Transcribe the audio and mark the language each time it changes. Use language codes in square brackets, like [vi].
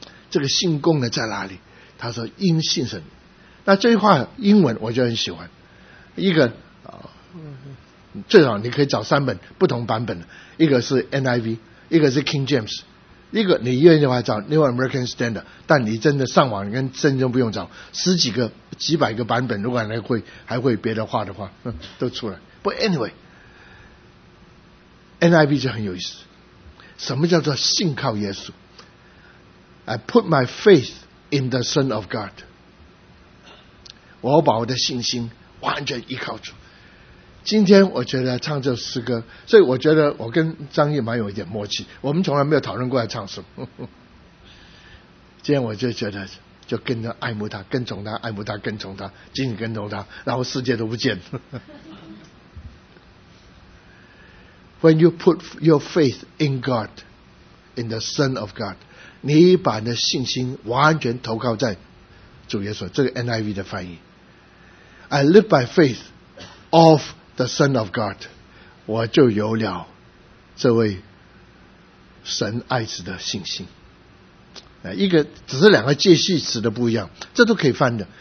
[zh] 这个信功能在哪里？他说因信神。那这句话英文我就很喜欢，一个最好你可以找三本不同版本的，一个是 NIV， 一个是 King James， 一个你愿意的话找 New American Standard， 但你真的上网跟圣经不用找，十几个几百个版本，如果还会别的话的话都出来。不 anyway， NIV 就很有意思，什么叫做信靠耶稣？ [en] I put my faith in the Son of God， [zh] 我把我的信心完全依靠主。今天我觉得唱这诗歌，所以我觉得我跟张毅蛮有一点默契，我们从来没有讨论过来唱什么。今天我就觉得就跟着爱慕他，跟从他，爱慕他，跟从他，紧紧跟从他，然后世界都不见了。 [en] When you put your faith in God, in the Son of God， [zh] 你把你的信心完全投靠在主耶稣，这个 NIV 的翻译。 [en] I live by faith of the Son of God， [zh] 我就有了这位神爱子的信心。一个只是两个介系词的不一样，这都可以翻的。